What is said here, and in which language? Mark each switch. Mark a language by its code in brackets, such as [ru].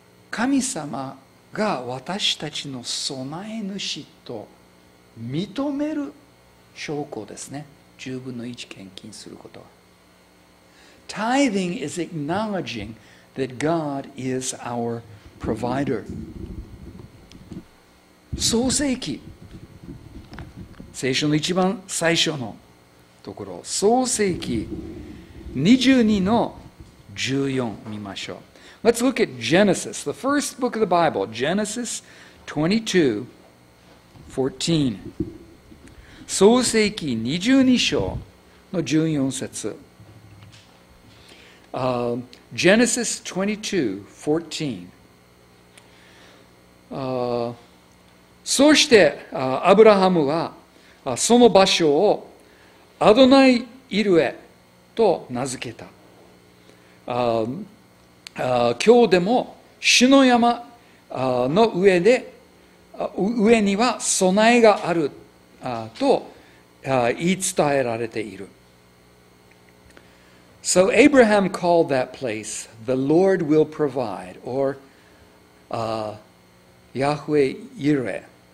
[ja] 神様が私たちの備え主と認める証拠ですね。十分の一献金することは。 [en] Tithing is acknowledging that God is our provider. [ja] 創世記、聖書の一番最初のところ、創世記22-14見ましょう。 [en] Let's look at Genesis, the first book of the Bible, Genesis 22:14. [ja] 創世記22章の14節。 [en] Genesis 22:14. [ja] そして、アブラハムは、その場所をアドナイ・イルエと名付けた。今日でも主の山の上で上には備えがあると言い伝えられている。 [en] So Abraham called that place the Lord will provide, or Yahweh Yireh.